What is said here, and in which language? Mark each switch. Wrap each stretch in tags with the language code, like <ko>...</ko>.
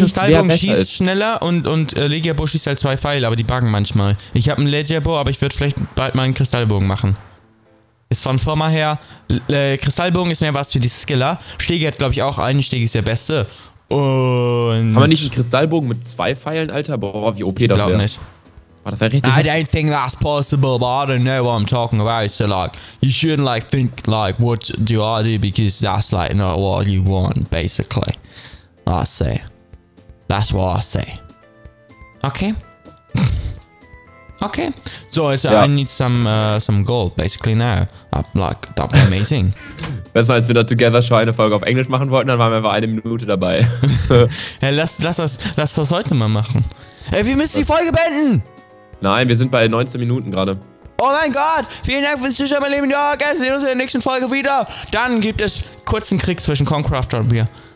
<de>Kristallbogen schießt schneller und Legiabo schießt halt 2 Pfeile, aber die buggen manchmal. Ich habe einen Legiabo, aber ich würde vielleicht bald mal einen Kristallbogen machen. Ist von Firma her. Kristallbogen ist mehr was für die Skiller. Schläge hat, glaube ich, auch einen. Schläge ist der beste. Und. Kann man nicht einen Kristallbogen mit 2 Pfeilen, Alter? Boah, wie OP das wäre. Ich glaube nicht. Oh,</de> <en>I don't think that's possible, but I don't know what I'm talking about, so like, you shouldn't like think like, what do I do, because that's like not what you want, basically, I say, that's what I say, okay, okay, so it's, yeah. I need some gold, basically now, like, that'd be amazing.</en> <de>Besser, als wir da together schon eine Folge auf Englisch machen wollten, dann waren wir einfach 1 Minute dabei. Ja, lass das heute mal machen. Ey, wir müssen die Folge beenden! Nein, wir sind bei 19 Minuten gerade. Oh mein Gott! Vielen Dank fürs Zuschauen, mein lieben Jörgers. Wir sehen uns in der nächsten Folge wieder. Dann gibt es kurzen Krieg zwischen Concrafter und mir.</de>